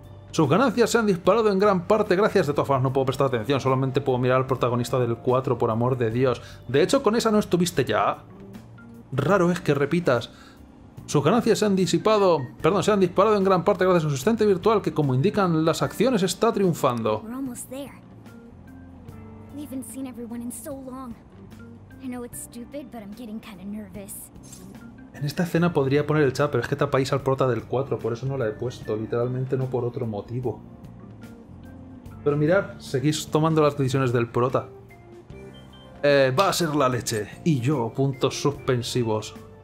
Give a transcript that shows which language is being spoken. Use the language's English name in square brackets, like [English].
[Spanish] Sus ganancias se han disparado en gran parte gracias... De todas formas, no puedo prestar atención, solamente puedo mirar al protagonista del 4, por amor de Dios. De hecho, con esa no estuviste ya. Raro es que repitas. Sus ganancias se han disparado en gran parte gracias a su asistente virtual que, como indican las acciones, está triunfando. [English] We haven't seen everyone in so long. I know it's stupid, but I'm getting kind of nervous. [Spanish] En esta escena podría poner el chat, pero es que tapáis al prota del 4, por eso no la he puesto, literalmente no por otro motivo. Pero mirad, seguís tomando las decisiones del prota. Va a ser la leche. Y yo, puntos suspensivos.